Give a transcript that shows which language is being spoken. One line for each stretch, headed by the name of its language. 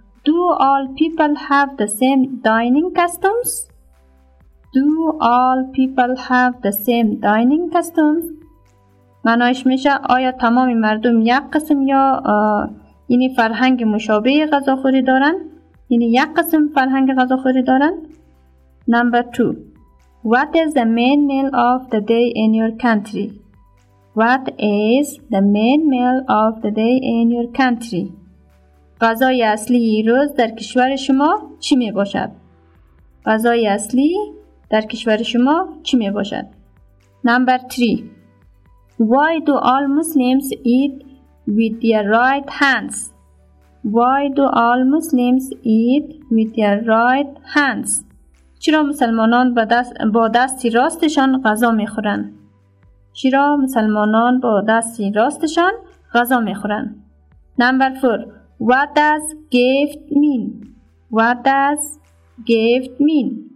English: Do all people have the same dining customs? Do all people have the same dining customs?
Persian: معنایش میشه آیا تمام مردم یک قسم یا یعنی فرهنگ مشابه غذاخوری دارن؟ یعنی یک قسم فرهنگ غذاخوری دارن؟
English: Number 2. What is the main meal of the day in your country? What is the main meal of the day in your country?
Persian: غذای اصلی روز در کشور شما چی می باشد؟ غذای اصلی در کشور شما چی می باشد؟
English: Number 3. Why do all Muslims eat with their right hands? Why do all Muslims eat with their right hands?
Persian: چرا مسلمانان با دست راستشان غذا می خورند؟ چرا مسلمانان با دست راستشان غذا می خورند؟
English: Number 4. What does gift mean? What does gift mean?